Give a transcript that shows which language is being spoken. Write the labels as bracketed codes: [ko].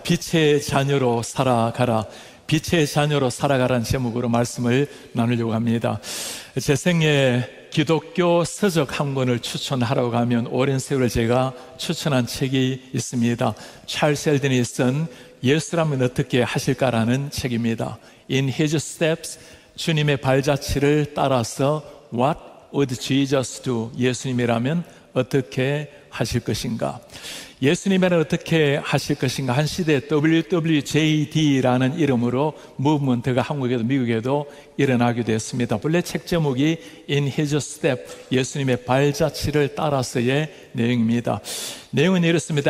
[ko] 빛의 자녀로 살아가라. 빛의 자녀로 살아가라는 제목으로 말씀을 나누려고 합니다. 제 생에 기독교 서적 한 권을 추천하라고 하면 오랜 세월 제가 추천한 책이 있습니다. 찰스 셀든이 쓴 예수라면 어떻게 하실까라는 책입니다. [en] In His Steps, [ko] 주님의 발자취를 따라서 [en] What would Jesus do? [ko] 예수님이라면 어떻게 하실 것인가? 예수님은 어떻게 하실 것인가? 한 시대 WWJD라는 이름으로 무브먼트가 한국에도 미국에도 일어나기도 했습니다. 본래 책 제목이 In His Step, 예수님의 발자취를 따라서의 내용입니다. 내용은 이렇습니다.